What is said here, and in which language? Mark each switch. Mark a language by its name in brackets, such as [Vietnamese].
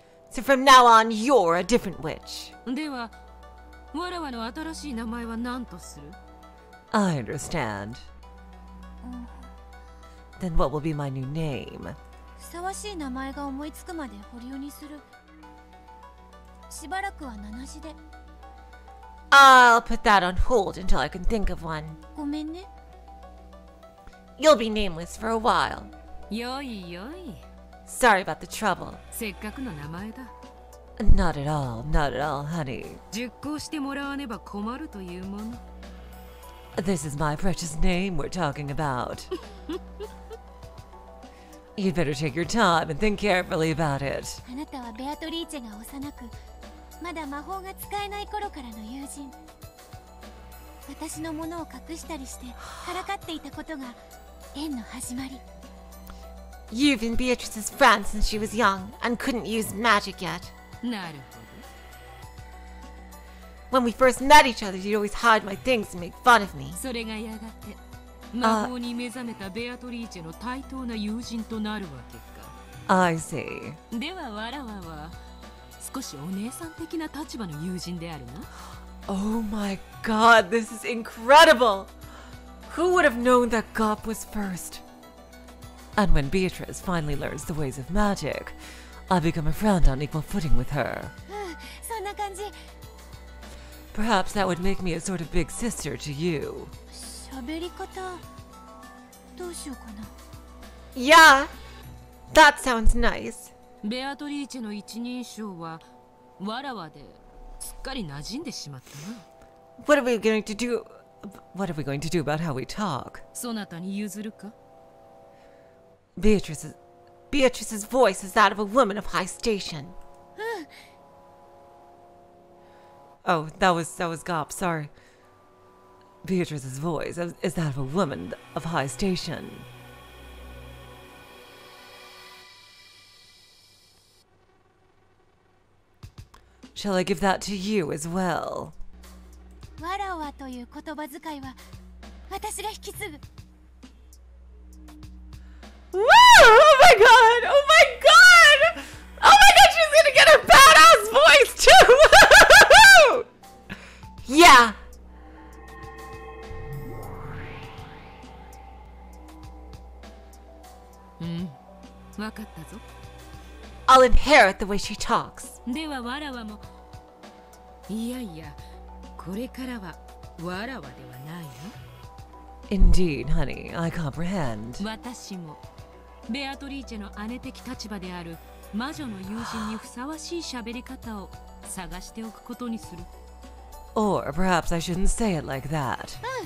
[English] So from now on, you're a different witch. [Japanese] では、わらわの新しい名前は何とする? [English] I understand. Then what will be my new name? [Japanese] ふさわしい名前が思いつくまで保留にする。しばらくは名なしで。 [English] I'll put that on hold until I can think of one. [Japanese] ごめんね。 [English] You'll be nameless for a while. [Japanese] よいよい。 [English] Sorry about the trouble. [Japanese] せっかくの名前だ。 [English] Not at all, not at all, honey. [Japanese] 実行してもらわねば困るというもの。 [English] This is my precious name we're talking about. You'd better take your time and think carefully about it. [Japanese] あなたはベアトリーチェが幼く、まだ魔法が使えない頃からの友人。私のものを隠したりしてからかっていたことが縁の始まり。 [English] You've been Beatrice's friend since she was young and couldn't use magic yet. [Japanese] なるほど。 [English] When we first met each other, you'd always hide my things and make fun of me. [Japanese] それがやがて魔法に目覚めたベアトリーチェの対等な友人となるわけか。 [English] I see. [Japanese] ではわらわは少しお姉さん的な立場の友人であるな。 [English] Oh my god, this is incredible! Who would have known that Gaap was first? And when Beatrice finally learns the ways of magic, I become a friend on equal footing with her. [Japanese] そんな感じ。 [English] Perhaps that would make me a sort of big sister to you. [Japanese] 喋り方、どうしようかな。 [English] Yeah! That sounds nice. [Japanese] ベアトリーチェの一人称は、わらわで。すっかり馴染んでしまったな。 [English] What are we going to do? What are we going to do about how we talk? [Japanese] そなたに譲るか? [English] Beatrice's voice is that of a woman of high station. Oh, that was Gaap. Sorry. Beatrice's voice is that of a woman of high station. Shall I give that to you as well? [Japanese] わらわという言葉遣いは私が引き継ぐ。 [English] Woo! Oh my god! Oh my god! Oh my god! She's gonna get her badass voice too! Yeah! [Japanese] わかったぞ。 [English] I'll inherit the way she talks. [Japanese] ではわらわも。いやいや、これからはわらわではないの。 [English] Indeed, honey, I comprehend. [Japanese] 私もベアトリーチェの姉的立場である魔女の友人にふさわしい喋り方を探しておくことにする。 [English] Or perhaps I shouldn't say it like that.